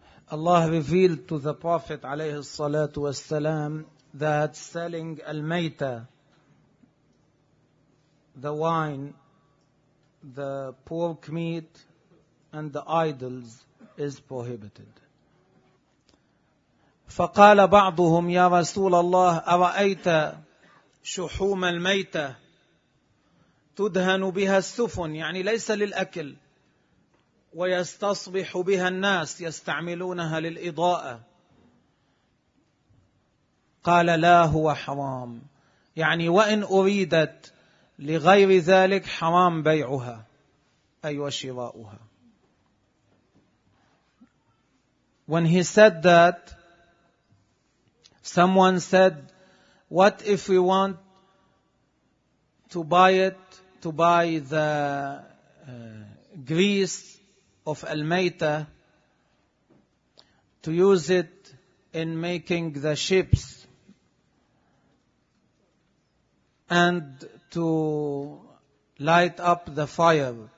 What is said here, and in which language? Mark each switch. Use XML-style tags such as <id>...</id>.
<en>Allah revealed to the Prophet</en> <ar>عليه الصلاة والسلام</ar> <en>that selling al-mayta, the wine, the pork meat, and the idols is prohibited.</en> <ar>فقال بعضهم يا رسول الله أرأيت شحوم الميتة تدهن بها السفن, يعني ليس للأكل, ويستصبح بها الناس يستعملونها للإضاءة. قال لا هو حرام, يعني وإن أريدت لغير ذلك حرام بيعها أي وشراؤها.</ar> <en>When he said that, someone said, what if we want to buy it, to buy the grease of al-mayta, to use it in making the ships and to light up the fire.</en>